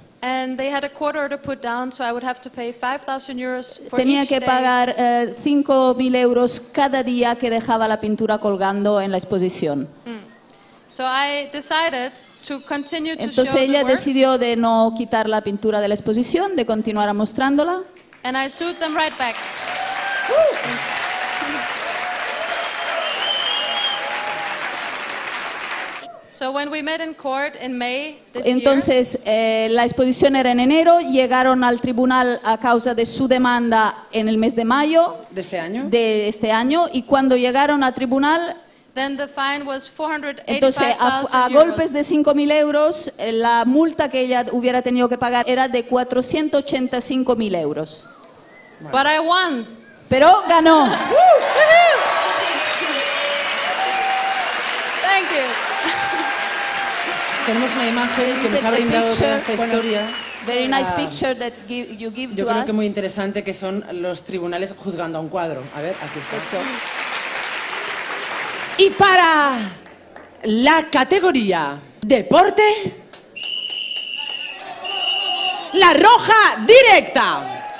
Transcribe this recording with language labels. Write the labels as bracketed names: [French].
[English] And they had a court order put down, so I would have to pay 5,000 euros for each day. [Spanish] Tenía que pagar 5,000 euros cada día que dejaba la pintura colgando en la exposición. [English] So I decided to continue to show. [Spanish] Entonces ella decidió de no quitar la pintura de la exposición, de continuar mostrándola. [English] And I sued them right back. So when we met in court in May this year. [Spanish] Entonces la exposición era en enero, llegaron al tribunal a causa de su demanda en el mes de mayo de este año. Y cuando llegaron al tribunal [English] Then the fine was 485, [Spanish] entonces, a golpes de 5.000 euros, la multa que ella hubiera tenido que pagar era de 485.000 euros. [English] But I won. [Spanish] Pero ganó. [English] Thank you. [Spanish] Tenemos una imagen que nos ha brindado toda esta historia. [English] Very nice picture that you give to us. [Spanish] Yo creo que muy interesante que son los tribunales juzgando a un cuadro. A ver, aquí está. Eso. Y para la categoría deporte, la Roja Directa.